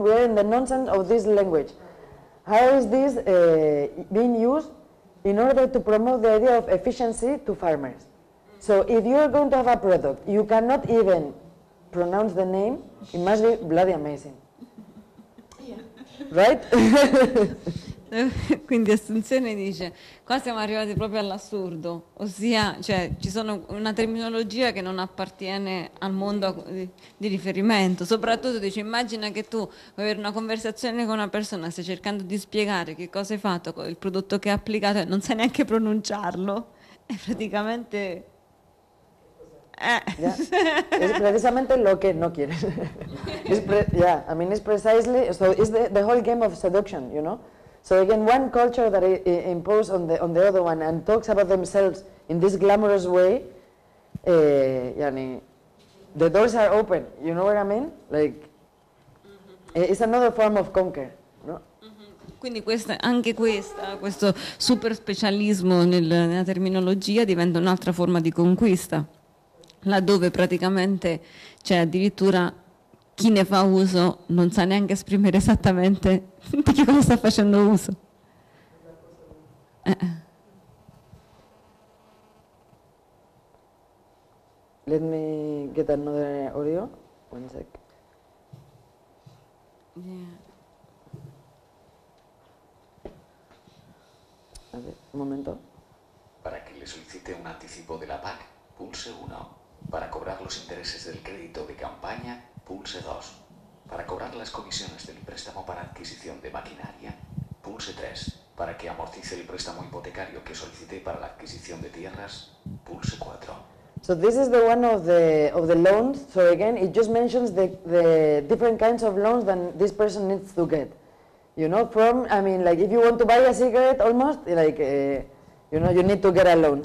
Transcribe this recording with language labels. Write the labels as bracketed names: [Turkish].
[English] We are in the nonsense of this language. How is this being used in order to promote the idea of efficiency to farmers? So if you're going to have a product, you cannot even pronounce the name, it must be bloody amazing. Yeah. Right? [Italian] Quindi Assunzione dice, qua siamo arrivati proprio all'assurdo, ossia cioè, ci sono una terminologia che non appartiene al mondo di riferimento, soprattutto dice immagina che tu vuoi avere una conversazione con una persona, stai cercando di spiegare che cosa hai fatto con il prodotto che hai applicato e non sai neanche pronunciarlo, è praticamente... [Spanish] Yeah. Es precisamente lo que no quieres. [English] yeah, I mean, it's precisely, so it's the whole game of seduction, you know? So again, one culture that I impose on the other one and talks about themselves in this glamorous way, yani, the doors are open, you know what I mean? Like, it's another form of conquer. [Italian] Quindi questa, anche questa, questo super specialismo nella terminologia diventa un'altra forma di conquista. Laddove praticamente c'è cioè addirittura chi ne fa uso non sa neanche esprimere esattamente di che cosa sta facendo uso. [English] Let me get another audio. One sec. Yeah. [Spanish] A ver, un momento. Para que le solicite un anticipo de la PAC, pulse 1. Para cobrar los intereses del crédito de campaña, pulse 2. Para cobrar las comisiones del préstamo para adquisición de maquinaria, pulse 3. Para que amortice el préstamo hipotecario que solicité para la adquisición de tierras, pulse 4. [English] So this is the one of the loans. So again, it just mentions the different kinds of loans that this person needs to get. You know, from, I mean, like if you want to buy a cigarette almost, like, you know, you need to get a loan.